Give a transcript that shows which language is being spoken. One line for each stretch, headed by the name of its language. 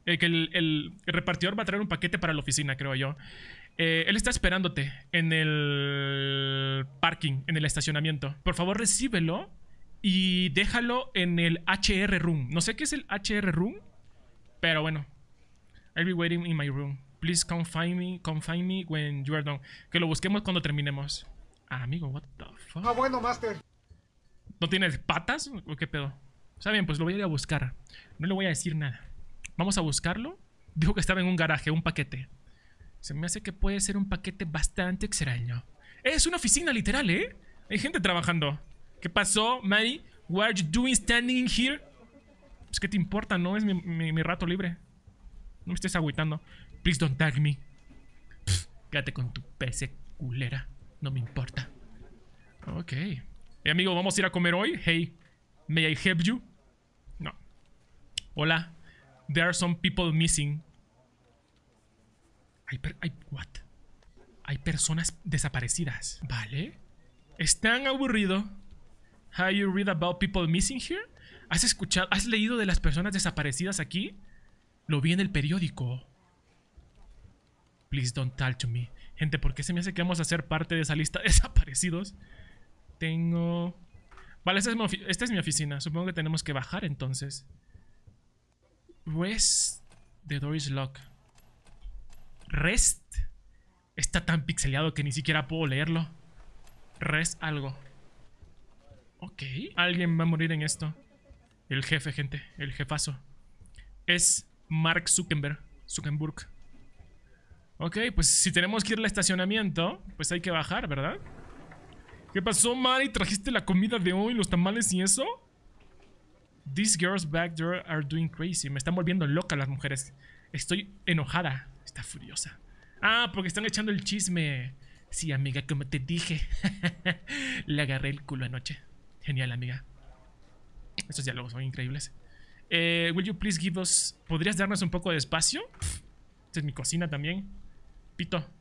Spanish: Que el repartidor va a traer un paquete para la oficina, creo yo. Él está esperándote en el parking, en el estacionamiento. Por favor, recíbelo y déjalo en el HR room. No sé qué es el HR room, pero bueno.
English: I'll be waiting in my room. Please come find me when you are done.
Spanish: Que lo busquemos cuando terminemos. Ah, amigo,
English: what the fuck.
Spanish: Ah, bueno, master. ¿No tienes patas? ¿O qué pedo? Está bien, pues lo voy a ir a buscar. No le voy a decir nada. Vamos a buscarlo. Dijo que estaba en un garaje, un paquete. Se me hace que puede ser un paquete bastante extraño. Es una oficina, literal, ¿eh? Hay gente trabajando. ¿Qué pasó, Mary?
English: What are you doing standing here?
Spanish: Pues, ¿qué te importa? No es mi rato libre. No me estés agüitando.
English: Please don't tag me.
Spanish: Pff, quédate con tu PC culera. No me importa. Ok. Amigo, ¿vamos a ir a comer hoy?
English: Hey, may I help you? No. Hola. There are some people missing. What?
Spanish: Hay personas desaparecidas. Vale. Es tan aburrido.
English: How you read about people missing here?
Spanish: ¿Has escuchado? ¿Has leído de las personas desaparecidas aquí? Lo vi en el periódico.
English: Please don't talk to me.
Spanish: Gente, ¿por qué se me hace que vamos a ser parte de esa lista de desaparecidos? Tengo... Vale, esta es mi oficina. Supongo que tenemos que bajar entonces. Rest.
English: The door is locked.
Spanish: Rest. Está tan pixelado que ni siquiera puedo leerlo. Rest algo. Ok. Alguien va a morir en esto. El jefe, gente. El jefazo. Es Mark Zuckerberg. Ok, pues si tenemos que ir al estacionamiento, pues hay que bajar, ¿verdad? ¿Qué pasó, Mari? ¿Trajiste la comida de hoy, los tamales y eso?
English: These girls back there are doing crazy.
Spanish: Me están volviendo loca las mujeres. Estoy enojada. Está furiosa. Ah, porque están echando el chisme. Sí, amiga, como te dije. Le agarré el culo anoche. Genial, amiga. Estos diálogos son increíbles.
English: Will you please give us...
Spanish: ¿Podrías darnos un poco de espacio? Esta es mi cocina también. Pito.